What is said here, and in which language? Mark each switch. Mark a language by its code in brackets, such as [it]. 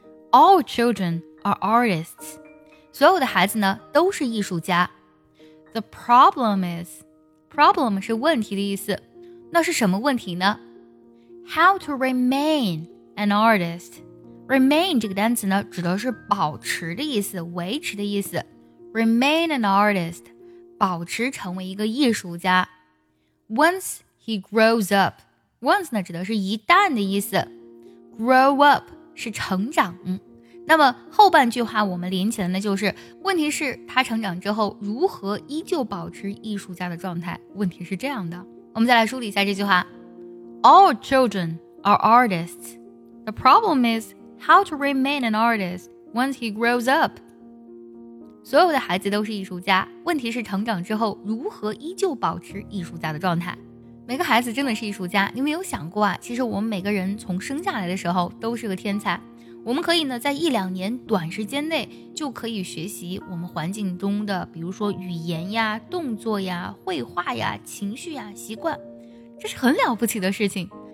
[en] All children are artists. [zh] 所有的孩子呢都是艺术家。 [en] The problem is, problem [zh] 是问题的意思。那是什么问题呢？ [en] How to remain an artist? [zh] Remain 这个单词呢指的是保持的意思，维持的意思。 [en] Remain an artist, [zh] 保持成为一个艺术家。 [en] Once he grows up, once [zh] 呢指的是一旦的意思。 Grow up 是成长。那么后半句话我们连起来呢就是，问题是他成长之后如何依旧保持艺术家的状态，问题是这样的。我们再来梳理一下这句话。 [en] All children are artists. The problem is,How to remain an artist once he grows up? [zh] 所有的孩子都是艺术家，问题是成长之后如何依旧保持艺术家的状态。每个孩子真的是艺术家，你没有想过啊，其实我们每个人从生下来的时候都是个天才。我们可以呢在一两年短时间内就可以学习我们环境中的，比如说语言呀、动作呀、绘画呀、情绪呀、习惯，这是很了不起的事情。